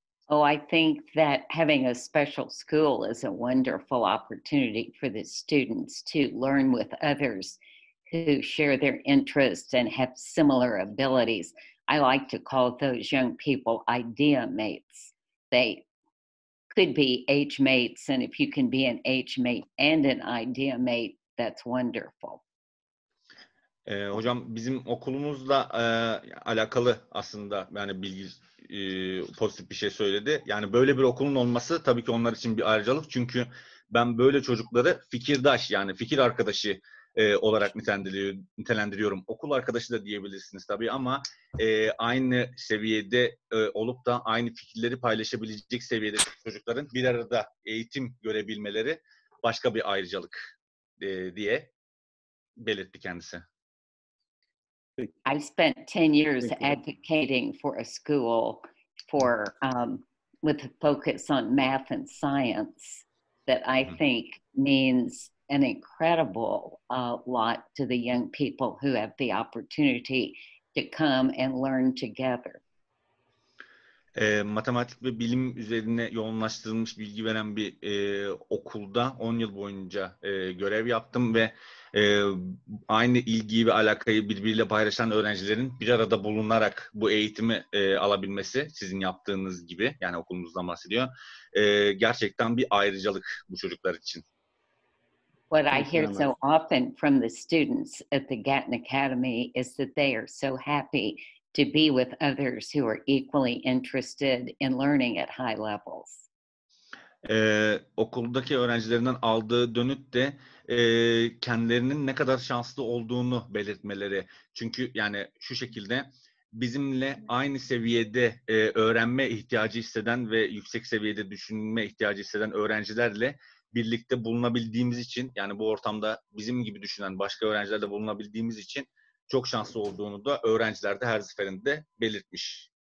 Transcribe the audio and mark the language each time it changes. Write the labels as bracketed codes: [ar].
[en] Oh, I think that having a special school is a wonderful opportunity for the students to learn with others who share their interests and have similar abilities. I like to call those young people idea mates. They could be age mates, and if you can be an age mate and an idea mate, that's wonderful. [tr] Hocam, bizim okulumuzla alakalı aslında, yani bilgi pozitif bir şey söyledi. Yani böyle bir okulun olması tabii ki onlar için bir ayrıcalık. Çünkü ben böyle çocukları fikirdaş, yani fikir arkadaşı olarak nitelendiriyorum. Okul arkadaşı da diyebilirsiniz tabii ama aynı seviyede olup da aynı fikirleri paylaşabilecek seviyede çocukların bir arada eğitim görebilmeleri başka bir ayrıcalık diye belirtti kendisi. [en] I spent 10 years advocating for a school for with a focus on math and science that I think means an incredible lot to the young people who have the opportunity to come and learn together. [tr] Matematik ve bilim üzerine yoğunlaştırılmış bilgi veren bir okulda 10 yıl boyunca görev yaptım ve aynı ilgiyi ve alakayı birbiriyle paylaşan öğrencilerin bir arada bulunarak bu eğitimi alabilmesi, sizin yaptığınız gibi, yani okulumuzdan bahsediyor, gerçekten bir ayrıcalık bu çocuklar için. [en] What I hear so often from the students at the Gatton Academy is that they are so happy to be with others who are equally interested in learning at high levels. [tr] Okuldaki öğrencilerinden aldığı dönüt de kendilerinin ne kadar şanslı olduğunu belirtmeleri. Çünkü yani şu şekilde bizimle aynı seviyede öğrenme ihtiyacı hisseden ve yüksek seviyede düşünme ihtiyacı hisseden öğrencilerle birlikte bulunabildiğimiz için, yani bu ortamda bizim gibi düşünen başka öğrencilerle bulunabildiğimiz için çok şanslı olduğunu da öğrenciler de her seferinde belirtmiş.